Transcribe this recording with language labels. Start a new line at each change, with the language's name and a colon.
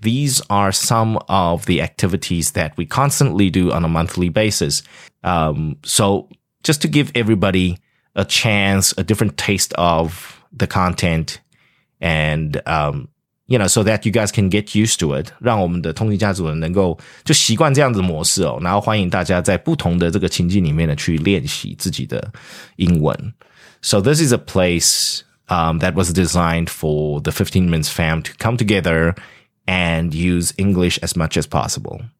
English: These are some of the activities that we constantly do on a monthly basis. So just to give everybody a chance, a different taste of the content and, you know, so that you guys can get used to it.
Chinese: 让我们的通勤家族人能够就习惯这样子的模式哦。然后欢迎大家在不同的这个情境里面呢去练习自己的英文。
English: So this is a place,that was designed for the 15 Minutes fam to come together and use English as much as possible.